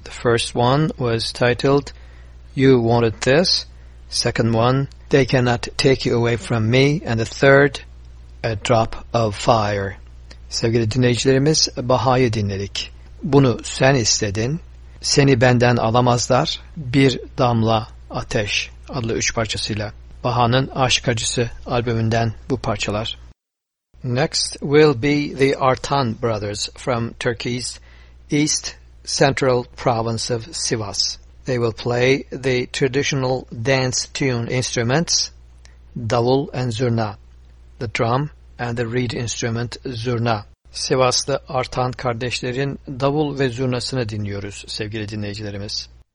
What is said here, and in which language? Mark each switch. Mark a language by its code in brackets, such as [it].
[en] The first one was titled You Wanted This, second one They Cannot Take You Away From Me, and the third A Drop of Fire. [tr] Sevgili dinleyicilerimiz, Baha'yı dinledik. Bunu sen istedin, seni benden alamazlar, Bir Damla Ateş adlı üç parçasıyla. Baha'nın Aşk Acısı albümünden bu parçalar. [en] Next will be the Artan Brothers from Turkey's East Central Province of Sivas. They will play the traditional dance tune instruments, davul and zurna, the drum and the reed instrument zurna. [tr] Sivaslı Artan kardeşlerin davul ve zurnasını dinliyoruz sevgili dinleyicilerimiz.